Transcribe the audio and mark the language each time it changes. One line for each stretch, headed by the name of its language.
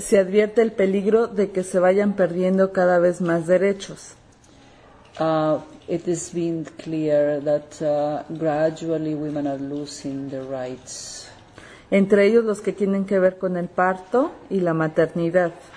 Spanish: Se advierte el peligro de que se vayan perdiendo cada vez más derechos.
English: It has been clear that gradually women are losing their rights.
Spanish: Entre ellos los que tienen que ver con el parto y la maternidad.